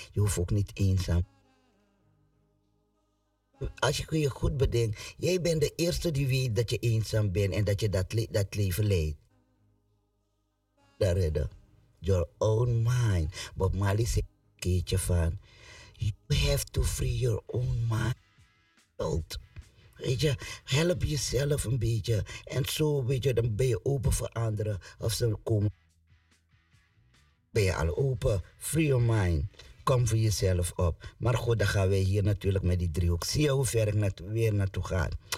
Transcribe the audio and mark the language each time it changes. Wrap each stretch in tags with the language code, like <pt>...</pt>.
<nl>Je hoeft ook niet eenzaam. Als je je goed bedenkt, jij bent de eerste die weet dat je eenzaam bent en dat je dat leven leidt. Dat redden.</nl> <en>Your own mind.</en> <nl>Bob Marley zegt een keertje van...</nl> <en>You have to free your own mind.</en> <nl>Weet je, help jezelf een beetje. En zo, weet je, dan ben je open voor anderen. Of ze komen. Ben je al open?</nl> <en>Free your mind.</en> <nl>Kom voor jezelf op. Maar goed, dan gaan wij hier natuurlijk met die driehoek. Zie je hoe ver ik weer naartoe ga.</nl>